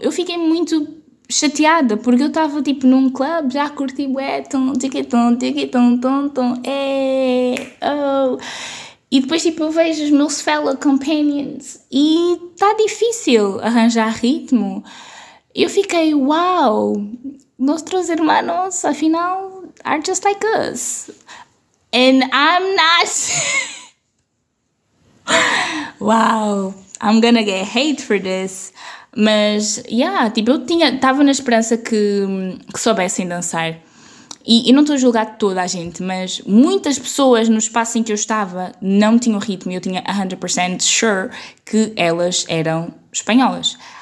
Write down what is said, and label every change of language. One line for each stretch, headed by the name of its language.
Portuguese: Eu fiquei muito chateada, porque eu estava, tipo, num club, já curti bué, tom, tiquetom, tiquetom, tom, tom, é, oh. E depois, tipo, eu vejo os meus
English: fellow companions
Portuguese: e está difícil arranjar ritmo. Eu fiquei, uau, nossos irmãos, afinal,
English: are just like us. And I'm not... Uau, I'm gonna get hate for this.
Portuguese: Mas,
English: yeah,
Portuguese: tipo, eu estava na esperança que soubessem dançar. E não estou a julgar toda a gente, mas muitas pessoas no espaço em que eu estava não tinham ritmo. Eu tinha 100%
English: sure
Portuguese: que elas eram espanholas.